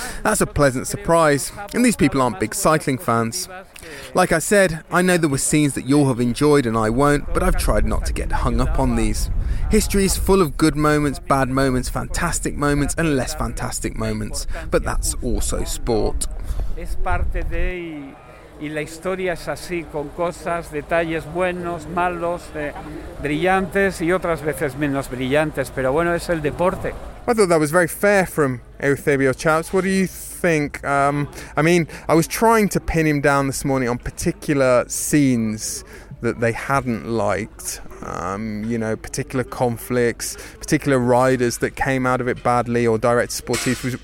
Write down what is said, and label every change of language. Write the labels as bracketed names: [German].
[English] That's a pleasant surprise, and these people aren't big cycling fans. Like I said, I know there were scenes that you'll have enjoyed and I won't, but I've tried not to get hung up on these. History is full of good moments, bad moments, fantastic moments and less fantastic moments, but that's also sport. [Spanish] Es parte de y la historia es así, con cosas, detalles buenos, malos, brillantes y otras veces menos brillantes, pero bueno, es el deporte. [English] I thought that was very fair from Eusebio Chaps. What do you think? I was trying to pin him down this morning on particular scenes that they hadn't liked. Particular conflicts, particular riders that came out of it badly or direct sportifs.